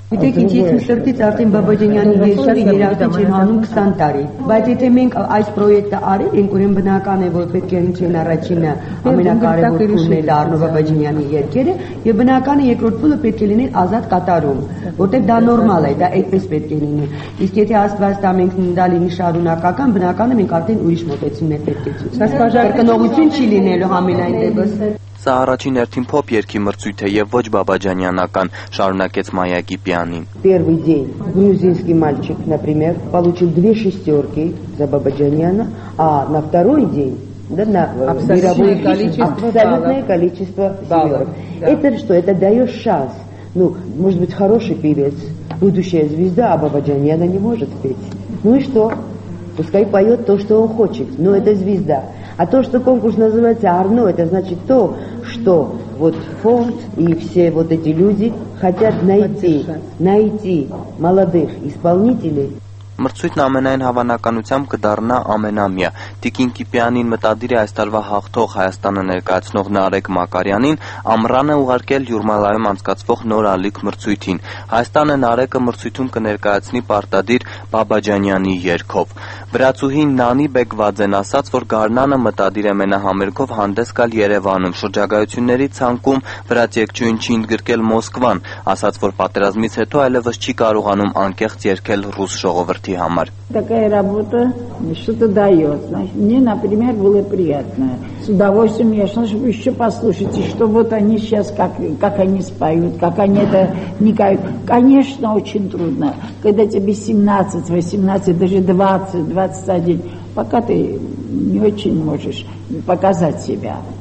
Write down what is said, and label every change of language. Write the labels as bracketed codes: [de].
[hy] Գիտեք, ինչ եթե սրտից արդեն Բաբաջանյանի երգերը երաժշտ են անում 20 տարի, բայց եթե մենք այս պրոյեկտը արել ենք, ուրեմն բնական է, որ պետք է ընդունեն առաջինը ամենակարևոր փուլը Արնո Բաբաջանյանի երգերը, եւ բնական է երկրորդ փուլը պետք է լինի ազատ կատարում, որտեղ դա նորմալ է, դա այդպես պետք է լինում։ Իսկ եթե Աստված տա մենք դա լինի շարունակական, բնական է մենք արդեն ուրիշ մոտեցում ենք պետք է ծույց։ Սա բաժակնողություն չի լինելու համենայն դեպքում։ Սա առաջին հերթին փոփ երկի մրցույթ է եւ ոչ բաբաջանյանական, շարունակեց Մայակի պիանին։ [ru] Первый день грузинский мальчик, например, получил две шестёрки за Бабаджаняна, а на второй день да на мировое количество абсолютное количество семерок. Это что? Это даёт шанс. Ну, может быть, хороший певец, будущая звезда, а Бабаджаняна не может петь. Ну и что? Пускай поёт то, что он хочет, но это звезда. А то, что конкурс называется «Арно», это значит то, что вот фонд и все вот эти люди хотят найти молодых исполнителей. [hy] Մրցույթն ամենայն հավանականությամբ կդառնա ամենամյա։ Տիկին Կիպյանին մտադիր է այս տարվա հաղթող Հայաստանը ներկայացնող Նարեկ Մակարյանին ամռանը ուղարկել Յուրմալայում անցկացվող նոր ալիք մրցույթին։ Հայաստանը Նարեկը մրցույթում կներկայացնի պարտադիր Բաբաջանյանի երգով։ Վրացուհին Նանի Բեկվաձեն ասաց, որ Գարնանը մտադիր է մենահամերգով հանդես գալ Երևանում։ Շրջագայությունների ցանկում վրաց երգչուհին չի ընդգրկել Մոսկվան, ասաց, որ պատերազմից հետո այլևս չի կարողանում անկեղծ երգել ռուս ժողովրդին. [ru] Такая работа что-то дает. Значит, мне, например, было приятно. С удовольствием я шла, чтобы еще послушать, и что вот они сейчас, как они споют, как они это никак. Конечно, очень трудно, когда тебе 17, 18, даже 20, 21, пока ты не очень можешь показать себя.